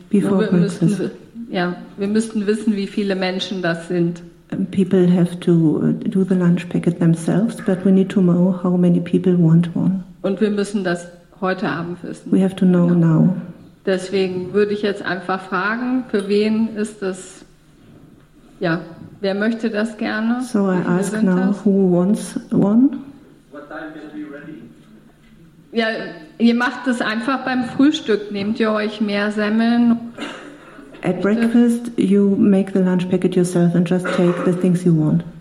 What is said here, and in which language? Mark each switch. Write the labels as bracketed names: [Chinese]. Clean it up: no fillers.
[English] Before [German] wir müssten wissen, wie viele Menschen das sind. [English] people have to do the lunch packet themselves, but we need to know how many people want one. [German] Und wir müssen das heute Abend wissen. [English] We have to know now. [German] Deswegen würde ich jetzt einfach fragen, für wen ist das, ja, wer möchte das gerne? [English] So I ask now, who wants one? What time will be ready? [German] Ja, ihr macht es einfach beim Frühstück, nehmt ihr euch mehr Semmeln? [English] At breakfast, you make the lunch packet yourself and just take the things you want.